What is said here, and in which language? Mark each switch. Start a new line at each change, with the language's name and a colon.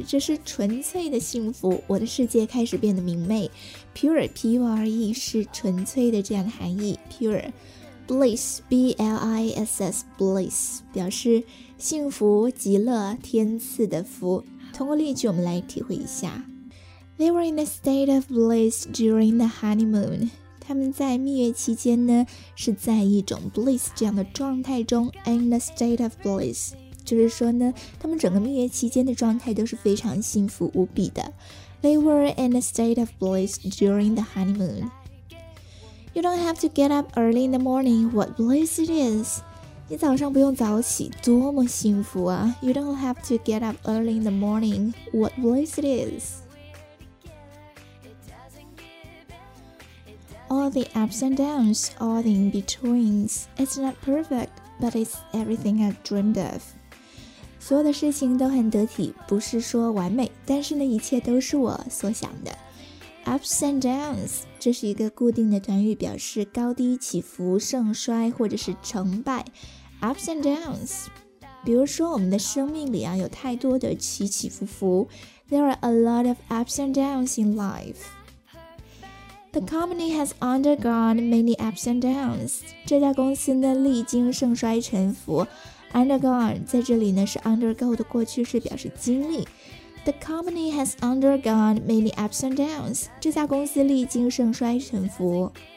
Chinese: 这是纯粹的幸福，我的世界开始变得明媚。 Pure, P-U-R-E, 是纯粹的这样的含义。 Pure, bliss, B-L-I-S-S, bliss, 表示幸福、极乐、天赐的福。通过例句我们来体会一下。
English: They were in a state of bliss during the honeymoon.
Chinese: 他们在蜜月期间呢，是在一种 bliss 这样的状态中 in a state of bliss.
English: 就是说呢他们整个蜜月期间的状态都是非常幸福无比的 They were in a state of bliss during the honeymoon You don't have to get up early in the morning What bliss it is 你早上不用早起多么幸福啊 You don't have to get up early in the morning What bliss it is All the ups and downs All the in-betweens It's not perfect But it's everything I dreamed ofSo the 事情都很得体，不是说完美，但是呢，一切都是我所想的。
Chinese: Ups and downs， 这是一个固定的短语，表示高低起伏、盛衰或者是成败。 Ups and downs， 比如说我们的生命里啊，有太多的起起伏伏。
English: There are a lot of ups and downs in life. The company has undergone many ups and downs.
Chinese: 这家公司呢，历经盛衰沉浮。 Undergone 在这里呢是 undergo 的过去式表示经历 The company has undergone many ups and downs 这家公司历经盛衰沉浮